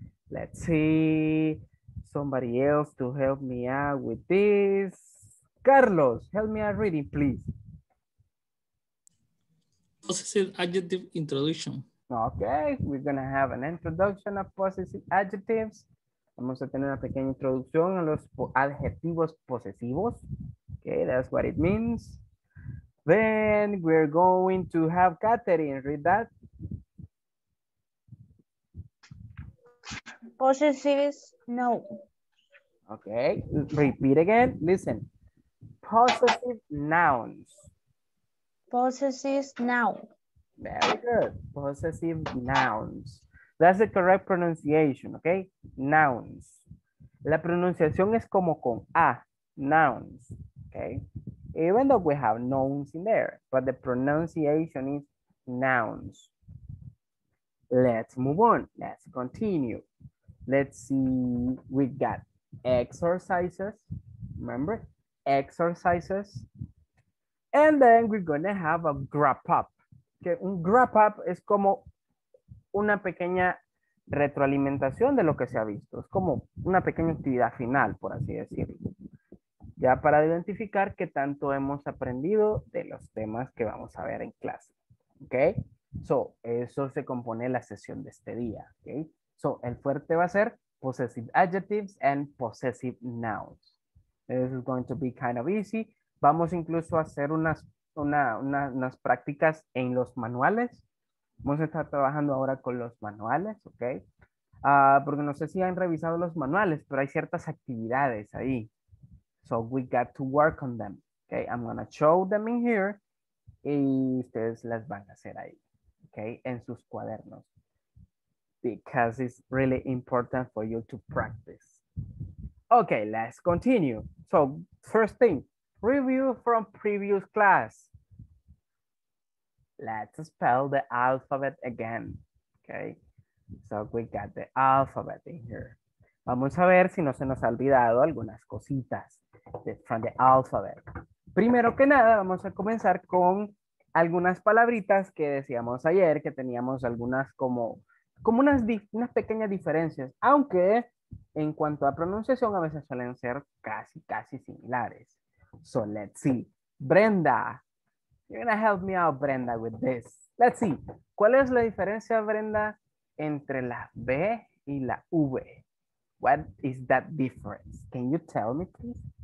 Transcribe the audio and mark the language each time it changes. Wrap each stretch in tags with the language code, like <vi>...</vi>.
<en>Let's see somebody else to help me out with this. Carlos, help me out reading, please. Possessive adjective introduction. Okay, we're gonna have an introduction of possessive adjectives.</en> <es>Vamos a tener una pequeña introducción a los adjetivos posesivos.</es> <en>Okay, that's what it means. Then we're going to have Catherine read that. Possessive noun. Okay, repeat again. Listen. Possessive nouns. Possessive noun. Very good. Possessive nouns. That's the correct pronunciation, okay? Nouns.</en> <es>La pronunciación es como con A. Nouns, okay?</es> <en>Even though we have nouns in there, but the pronunciation is nouns. Let's move on. Let's continue. Let's see. We've got exercises. Remember? Exercises. And then we're going to have a wrap up. Okay.</en> <es>Un wrap up es como una pequeña retroalimentación de lo que se ha visto. Es como una pequeña actividad final, por así decirlo. Ya para identificar qué tanto hemos aprendido de los temas que vamos a ver en clase. Okay? So, eso se compone la sesión de este día, okay? So, el fuerte va a ser</es> <en>possessive adjectives and possessive nouns. This is going to be kind of easy.</en> <es>Vamos incluso a hacer unas prácticas en los manuales. Vamos a estar trabajando ahora con los manuales, okay? Porque no sé si han revisado los manuales, pero hay ciertas actividades ahí.</es> <en>So we got to work on them. Okay, I'm going to show them in here</en> <es>y ustedes las van a hacer ahí, okay, en sus cuadernos.</es> <en>Because it's really important for you to practice. Okay, let's continue. So, first thing, review from previous class. Let's spell the alphabet again, okay? So, we got the alphabet in here.</en> <es>Vamos a ver si no se nos ha olvidado algunas cositas</es> <en>from the alphabet.</en> <es>Primero que nada, vamos a comenzar con algunas palabritas que decíamos ayer, que teníamos algunas como unas pequeñas diferencias, aunque en cuanto a pronunciación a veces suelen ser casi, casi similares.</es> <en>So, let's see. Brenda, you're gonna help me out, Brenda, with this. Let's see.</en> <es>¿Cuál es la diferencia, Brenda, entre la B y la V?</es> <en>What is that difference? Can you tell me, please?</en>